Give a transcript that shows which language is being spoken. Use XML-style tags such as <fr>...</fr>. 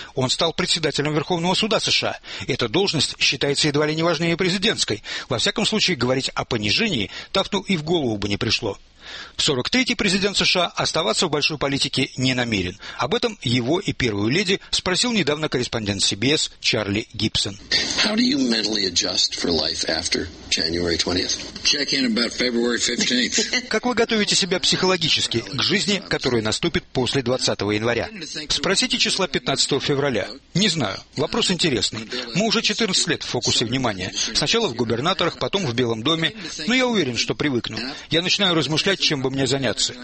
<ru>Он стал председателем Верховного суда США. Эта должность считается едва ли не важнее президентской. Во всяком случае, говорить о понижении Тафту и в голову бы не пришло. 43-й президент США оставаться в большой политике не намерен. Об этом его и первую леди спросил недавно корреспондент CBS Чарли Гибсон.</ru> <en>How do you mentally adjust for life after January 20th? Check in about February 15th.</en> <ru>Как вы готовите себя психологически к жизни, которая наступит после 20 января? Спросите числа 15 февраля. Не знаю. Вопрос интересный. Мы уже 14 лет в фокусе внимания. Сначала в губернаторах, потом в Белом доме. Но я уверен, что привыкну. Я начинаю размышлять, чем бы мне заняться.</ru>